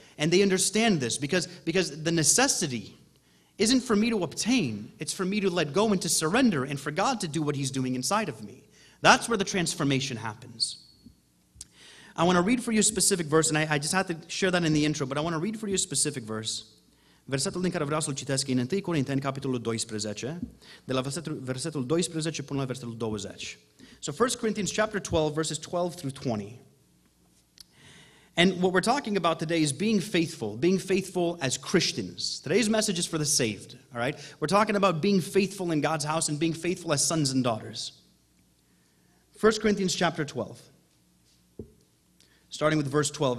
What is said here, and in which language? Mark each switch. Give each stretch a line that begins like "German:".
English: And they understand this because the necessity isn't for me to obtain. It's for me to let go and to surrender and for God to do what He's doing inside of me. That's where the transformation happens. I want to read for you a specific verse, and I just have to share that in the intro, but I want to read for you a specific verse.
Romanian: Versetul din care vreau să-l citesc e în 1 Corinteni, capitolul 12, de la versetul 12 până la versetul 20.
English: So 1 Corinthians chapter 12, verses 12 through 20. And what we're talking about today is being faithful as Christians. Today's message is for the saved, all right? We're talking about being faithful in God's house and being faithful as sons and daughters. 1 Corinthians chapter 12, starting with verse 12.